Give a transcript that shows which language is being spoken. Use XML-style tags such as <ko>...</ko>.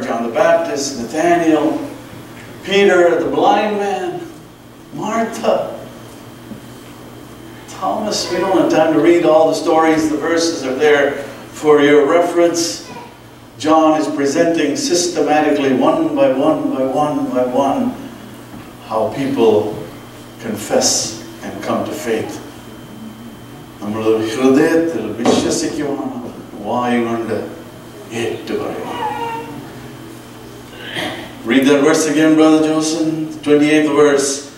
<en>John the Baptist, Nathaniel, Peter, the blind man, Martha, Thomas. We don't have time to read all the stories. The verses are there for your reference. John is presenting systematically, one by one by one by one, how people confess and come to faith.</en> <ml>നമ്മുടെ ഹൃദയത്തിൽ വിശ്വസിക്കുവാണ് വായു കൊണ്ട് ഏറ്റുപറയുക.</ml> <en>Read that verse again, Brother Johnson, 28th verse.</en>